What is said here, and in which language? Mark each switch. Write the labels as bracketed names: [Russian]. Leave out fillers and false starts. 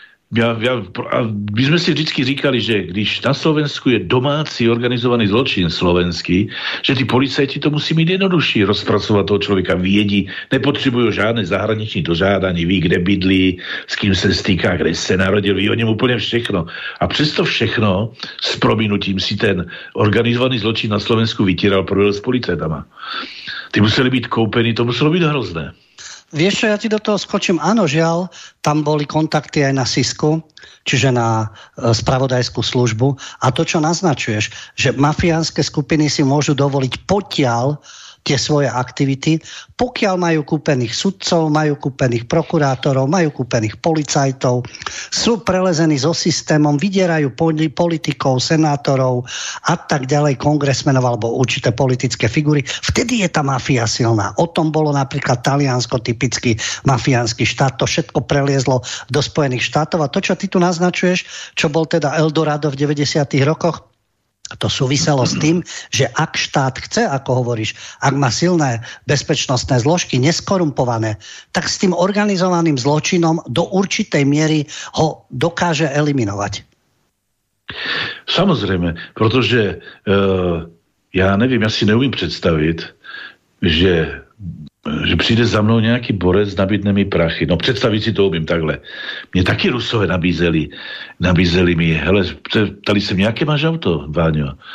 [Czech] My jsme si vždycky říkali, že když na Slovensku je domácí organizovaný zločin slovenský, že ty policajti to musí mít jednodušší rozpracovat toho člověka, vědí, nepotřebují žádné zahraniční dožádání, ví, kde bydlí, s kým se stýká, kde se narodil, ví o něm úplně všechno. A přesto všechno s prominutím si ten organizovaný zločin na Slovensku vytíral, provedl s policajtama. Ty museli být koupeni, to muselo být hrozné. [Slovak] Vieš čo, ja ti do toho skočím. Áno, žiaľ, tam boli kontakty aj na SIS-ku, čiže na spravodajskú službu. A to, čo naznačuješ, že mafiánske skupiny si môžu dovoliť potiaľ tie svoje aktivity, pokiaľ majú kúpených sudcov, majú kúpených prokurátorov, majú kúpených policajtov, sú prelezení so systémom, vydierajú politikov, senátorov a tak ďalej, kongresmenov alebo určité politické figury. Vtedy je tá mafia silná. O tom bolo napríklad Taliansko, typický mafiánsky štát. To všetko preliezlo do Spojených štátov. A to, čo ty tu naznačuješ, čo bol teda Eldorado v 90. rokoch, to súviselo s tým, že ak štát chce, ako hovoríš, ak má silné bezpečnostné zložky, neskorumpované, tak s tým organizovaným zločinom do určitej miery ho dokáže eliminovať. [Czech] Samozrejme, pretože ja neviem, ja si neumím predstaviť, že přijde za mnou nějaký borec, nabídne mi prachy. No představit si to umím takhle. Mě taky Rusové nabízeli mi, hele, ptali se mě, jaké máš auto, Váňo?